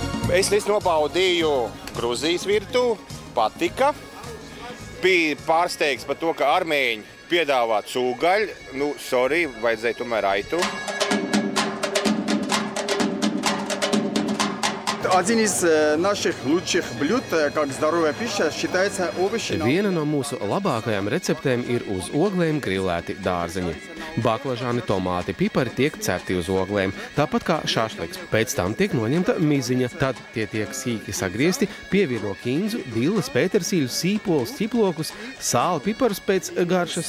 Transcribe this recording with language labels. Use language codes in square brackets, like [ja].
[lv] Es līdz nobaudīju Gruzijas virtu, patika. Bija pārsteigts par to, ka armēņi piedāvā cūgaļ. Nu, sorry, vajadzēja tomēr aitu. [ru] один из наших лучших блюд, как здоровая пища, считается овощи. [lv] Viena no mūsu labākajām receptēm ir uz oglēm grillēti dārzeņi. Baklažāni, tomāti, pipari tiek cepti uz oglēm, tāpat kā šašliks. Pēc tam tiek noņemta miziņa, tad tie tiek sīki sagriezti, pievieno kindzu, dilles, pētersīļu, sīpolus, ķiplokus, sāli, piparus pēc garšas.